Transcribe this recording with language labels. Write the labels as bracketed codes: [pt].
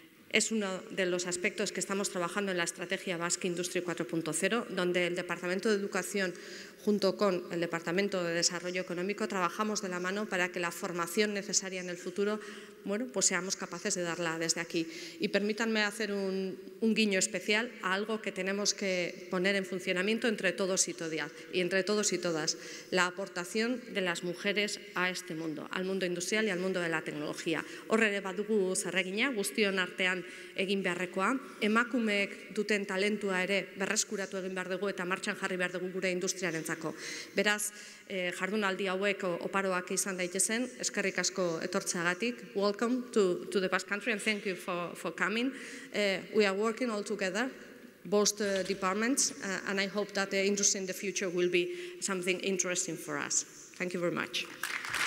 [es] Es uno de los aspectos que estamos trabajando en la Estrategia Basque Industry 4.0, donde el Departamento de Educación, junto con el Departamento de Desarrollo Económico, trabajamos de la mano para que la formación necesaria en el futuro, bueno, pues seamos capaces de darla desde aquí. Y permítanme hacer un guiño especial a algo que tenemos que poner en funcionamiento entre todos y todas, la aportación de las mujeres a este mundo, al mundo industrial y al mundo de la tecnología. [eu] Horrere badugu zerregina, guztion artean egin beharrekoa, emakumeek duten talentua ere berreskuratu egin behar dugu eta martxan jarri behar dugu gure industriaren. Beraz, jardunaldi hauek oparoak izan daitezen, eskerrik asko etortzeagatik. [en] Welcome to the Basque Country and thank you for coming. We are working all together, both departments, and I hope that the industry in the future will be something interesting for us. Thank you very much.